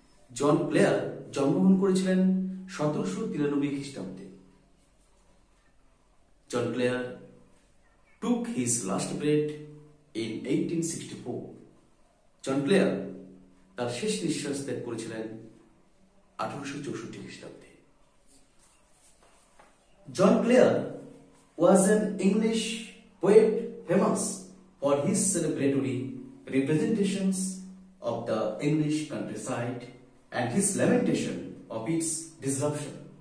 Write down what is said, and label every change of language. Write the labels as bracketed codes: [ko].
[bn] John Clare জন্মগ্রহণ করেছিলেন 1793 খ্রিস্টাব্দে। [en] John Clare took his last breath in 1864. [bn] John Clare তার শেষ নিঃশ্বাস ত্যাগ করেছিলেন 1864 খ্রিস্টাব্দে। [en] John Clare was an English poet famous for his celebratory representations of the English countryside and his lamentation of its disruption.